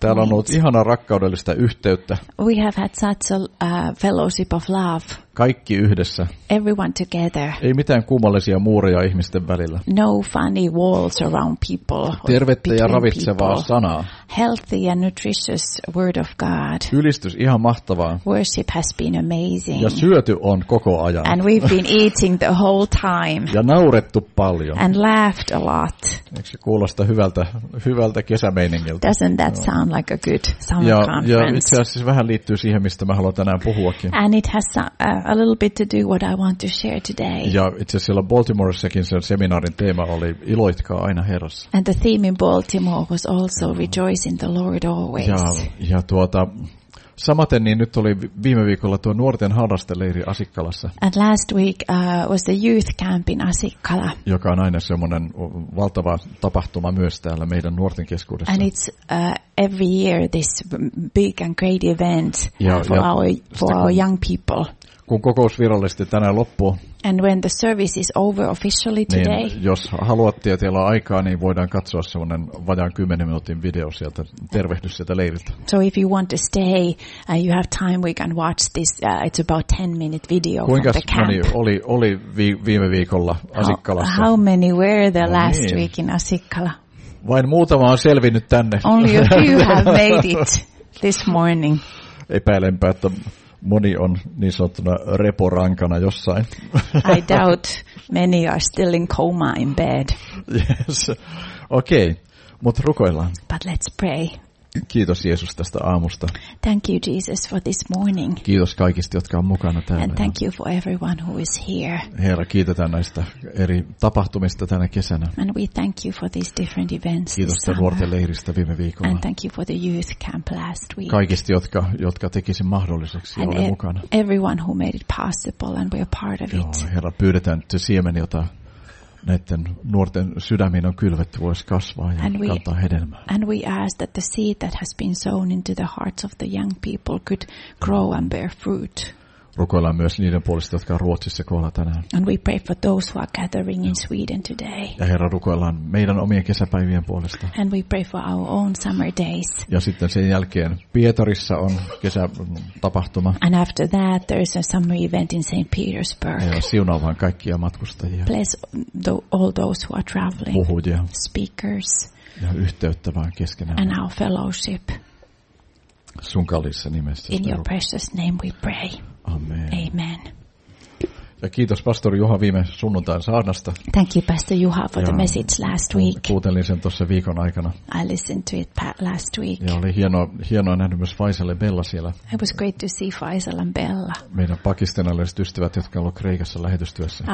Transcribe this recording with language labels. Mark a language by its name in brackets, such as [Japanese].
[Finnish] Täällä on ollut ihana rakkaudellista yhteyttä. [English] We have had such a fellowship of love. [Finnish] Kaikki yhdessä. [English] Everyone together. [Finnish] Ei mitään kummallisia muureja ihmisten välillä. [English] No funny walls around people. [Finnish] Tervettä ja ravitsevaa [English] people. [Finnish] Sanaa. [English] Healthy and nutritious word of God. [Finnish] Ylistys ihan mahtavaa. [English] Worship has been amazing. [Finnish] Ja syöty on koko ajan. [English] And we've been eating the whole time. [Finnish] Ja naurettu paljon. [English] And laughed a lot. [Finnish] Eikö se kuulosta hyvältä kesämeiningiltä? [English] Doesn't that sound like a good summer conference? [Finnish] Ja itse asiassa vähän liittyy siihen, mistä mä haluan tänään puhuakin. [English] And it has a little bit to do what I want to share today. [Finnish] Ja itse asiassa siellä Baltimoressakin sen seminaarin teema oli iloitkaa aina Herrassa. [English] And the theme in Baltimore was also rejoice in the Lord always. [Finnish] Ja samaten niin nyt oli viime viikolla tuo nuorten harrasteleiri Asikkalassa. [English] And last week was the youth camp in Asikkala. [Finnish] Joka on aina semmoinen valtava tapahtuma myös täällä meidän nuorten keskuudessa. [English] And it's every year this big and great event for our young people. [Finnish] Kun kokous virallisesti tänään loppuu. [English] And when the service is over officially today. [Finnish] Niin jos haluatte ja teillä on aikaa, niin voidaan katsoa semmoinen vajaan 10 minuutin video sieltä, tervehdys sieltä leiriltä. [English] So if you want to stay and you have time, we can watch this, it's about 10 minute video. [Finnish] Kuinkas [English] from the camp. [Finnish] Kuinkas moni oli viime viikolla Asikkalassa? [English] How many were there last week in Asikkala? [Finnish] Vain muutama on selvinnyt tänne. [English] Only a few have made it this morning. [Finnish] Epäilenpä, että moni on niin sanottuna reporankana jossain. [English] I doubt many are still in coma in bed. [Finnish] Yes. Okay. Mut rukoillaan. [English] But let's pray. [Finnish] Kiitos Jeesus tästä aamusta. [English] Thank you Jesus for this morning. [Finnish] Kiitos kaikista, jotka on mukana täällä. [English] And thank you for everyone who is here. [Finnish] Herra, kiitetään näistä eri tapahtumista tänä kesänä. [English] And we thank you for these different events. [Finnish] Kiitos nuorten leiristä viime viikolla. [English] And thank you for the youth camp last week. [Finnish] Kaikista, jotka teki sen mahdolliseksi, ole mukana. [English] And everyone who made it possible and we're part of it. [Finnish] Herra, pyydetään että siemen, jota näiden nuorten sydämiin on kylvetty, voisi kasvaa ja kantaa hedelmää. [English] And we ask that the seed that has been sown into the hearts of the young people could grow and bear fruit. [Finnish] Rukoillaan myös niiden puolesta, jotka on Ruotsissa koolla tänään. [English] And we pray for those who are gathering in Sweden today. [Finnish] Ja Herra, rukoillaan meidän omien kesäpäivien puolesta. [English] And we pray for our own summer days. [Finnish] Ja sitten sen jälkeen Pietarissa on kesätapahtuma. [English] And after that there is a summer event in St. Petersburg. [Finnish] Ja siunaa vaan kaikkia matkustajia. [English] Bless all those who are traveling. [Finnish] Puhujia. [English] Speakers. [Finnish] Ja yhteyttä vaan keskenään. [English] And our fellowship. [Finnish] Sun kallissa nimessä. [English] In your precious name we pray. Amen. Amen. [Finnish] Ja kiitos pastori Juha viime sunnuntain saarnasta. [English] Thank you pastor Juha for the message last week. [Finnish] Kuuntelin sen tuossa viikon aikana. [English] I listened to it last week. [Finnish] Ja oli hienoa nähdä myös Faisal ja Bella siellä. [English] It was great to see Faisal and Bella. [Finnish] Meidän pakistanilaiset ystävät, jotka olivat Kreikassa lähetystyössä.